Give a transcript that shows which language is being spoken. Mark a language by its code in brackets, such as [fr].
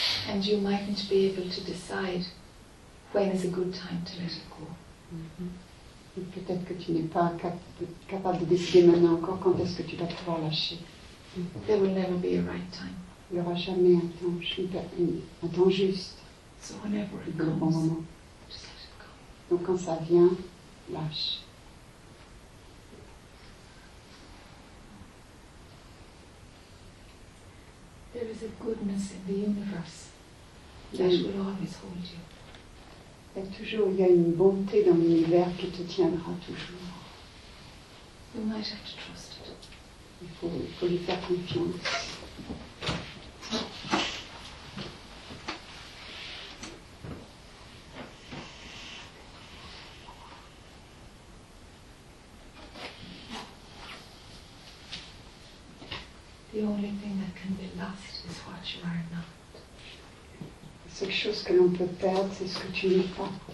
[en] And you mightn't be able to decide when is a good time to let it go. Mm-hmm. [fr] Peut-être que tu n'es pas capable de décider maintenant encore quand est-ce que tu vas pouvoir lâcher. [en] There will never be a right time. [fr] Il n'y aura jamais un temps juste. [en] So whenever it comes, [fr] bon moment. Donc quand ça vient, lâche. [en] There is a goodness in the universe that will always hold you. [fr] Il y a une bonté dans l'univers qui te tiendra toujours. [en] You might have to trust it. [fr] Il faut lui faire confiance. [en] The only thing that can be lost is what you are not. [fr] La seule chose que l'on peut perdre, c'est ce que tu n'es pas.